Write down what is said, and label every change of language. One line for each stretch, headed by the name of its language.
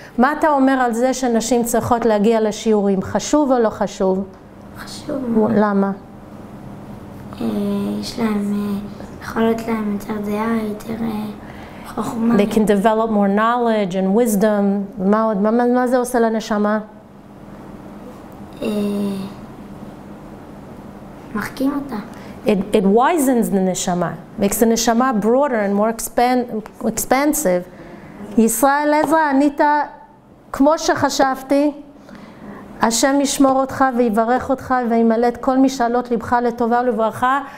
Hebrew: מה אתה אומר על זה שנשים צריכות להגיע לשיעורים? חשוב או לא חשוב? חשוב. למה? יש להם... יכולות להם יותר דעה, יותר חוכמה.
English: They can develop more knowledge and wisdom.
Hebrew: מה עוד? מה זה עושה לנשמה? מחכים אותה.
English: It wisens the neshama. Makes the neshama broader and more expansive.
Hebrew: Yisrael Ezra, Anita, כמו שחשבתי, השם ישמור אותך ויברך אותך וימלא את כל משאלות לבך לטובה ולברכה.